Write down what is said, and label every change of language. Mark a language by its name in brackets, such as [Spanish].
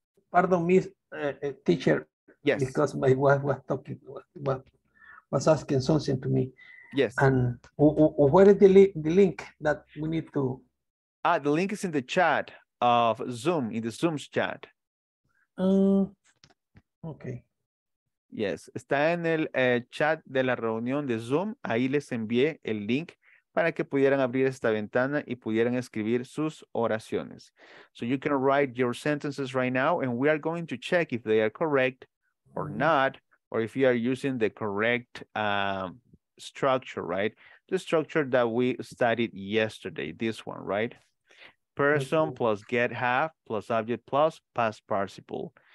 [English] Pardon me, teacher. Yes. Because my wife was talking, was asking something to me. Yes. And where is the link that we need to... The link is in the chat of Zoom, in the Zoom's chat. Okay. [Spanish] Yes, está en el chat de la reunión de Zoom. Ahí les envié el link para que pudieran abrir esta ventana y pudieran escribir sus oraciones. [English] So you can write your sentences right now and we are going to check if they are correct or not, or if you are using the correct structure, right? The structure that we studied yesterday, this one, right? Person plus get have plus object plus past participle.